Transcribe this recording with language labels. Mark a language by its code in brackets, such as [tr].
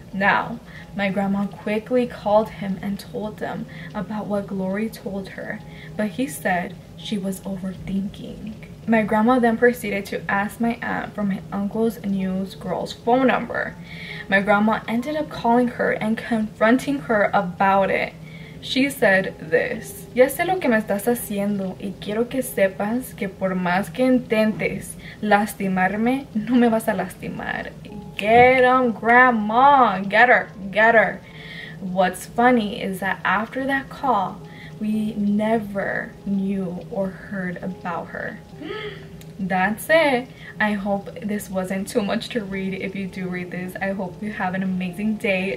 [en] Now, my grandma quickly called him and told them about what Glory told her, but he said she was overthinking. My grandma then proceeded to ask my aunt for my uncle's new girl's phone number. My grandma ended up calling her and confronting her about it. [es] She said this: Ya sé lo que me estás haciendo y quiero que sepas que por más que intentes lastimarme, no me vas a lastimar. [en] Get him, grandma! Get her! Get her! What's funny is that after that call, we never knew or heard about her. That's it. I hope this wasn't too much to read. If you do read this, I hope you have an amazing day.